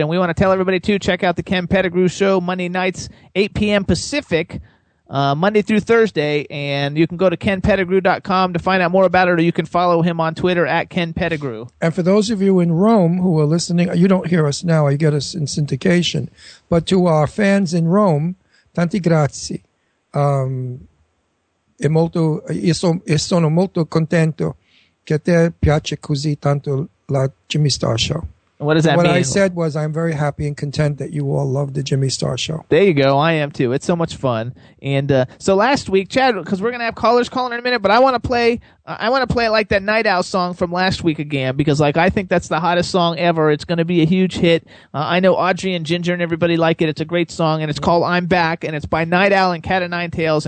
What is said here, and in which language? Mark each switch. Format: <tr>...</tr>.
<en>And we want to tell everybody, too, check out the Ken Pettigrew Show Monday nights, 8 p.m. Pacific, Monday through Thursday. And you can go to kenpettigrew.com to find out more about it, or you can follow him on Twitter, @KenPettigrew. And for those of you in Rome who are listening, you don't hear us now. You get us in syndication. But to our fans in Rome,</en> <it>tanti grazie. Sono molto contento che te piace così tanto la Jimmy Star Show.</it> <en>What does that mean? What I said was I'm very happy and content that you all love the Jimmy Star Show. There you go. I am too. It's so much fun. And so last week, Chad, because we're going to have callers calling in a minute, but I want to play like that Night Owl song from last week again, because like I think that's the hottest song ever. It's going to be a huge hit. I know Audrey and Ginger and everybody like it. It's a great song, and it's called I'm Back, and it's by Night Owl and Cat of Nine Tails.</en>